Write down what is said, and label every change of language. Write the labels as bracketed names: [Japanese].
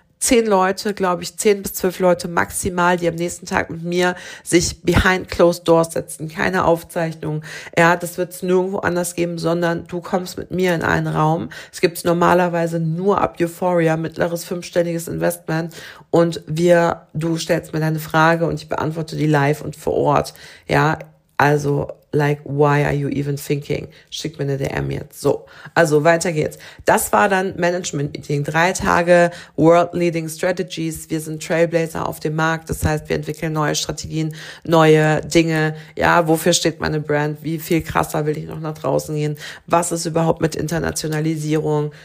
[German] 10 Leute, glaube ich, 10 bis 12 Leute maximal, die am nächsten Tag mit mir sich [English] behind closed doors [German] setzen. Keine Aufzeichnung. Ja, das wird es nirgendwo anders geben, sondern du kommst mit mir in einen Raum. Es gibt es normalerweise nur ab Euphoria, mittleres fünfstelliges Investment. Und du stellst mir deine Frage und ich beantworte die live und vor Ort. [English] Ja, also like, why are you even thinking? [German] Schick mir eine DM jetzt. So, also weiter geht's. Das war dann Management-Meeting. 3 Tage World-Leading Strategies. Wir sind Trailblazer auf dem Markt. Das heißt, wir entwickeln neue Strategien, neue Dinge. Ja, wofür steht meine Brand? Wie viel krasser will ich noch nach draußen gehen? Was ist überhaupt mit Internationalisierung?